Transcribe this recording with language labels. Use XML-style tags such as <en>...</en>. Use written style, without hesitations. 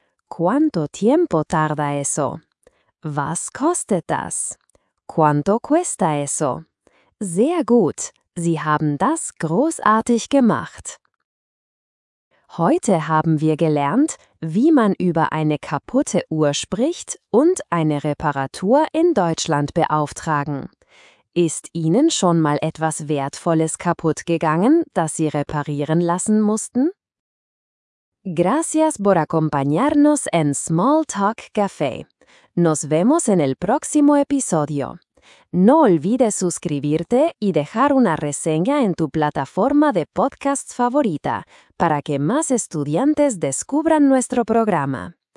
<es>¿Cuánto tiempo tarda eso?</es> <de>Was kostet das?</de> <es>¿Cuánto cuesta eso?</es> <de>Sehr gut, Sie haben das großartig gemacht. Heute haben wir gelernt, wie man über eine kaputte Uhr spricht und eine Reparatur in Deutschland beauftragen. Ist Ihnen schon mal etwas Wertvolles kaputt gegangen, das Sie reparieren lassen mussten?</de> <es>Gracias por acompañarnos en Small Talk Café. Nos vemos en el próximo episodio. No olvides suscribirte y dejar una reseña en tu plataforma de podcast favorita para que más estudiantes descubran nuestro programa.</es>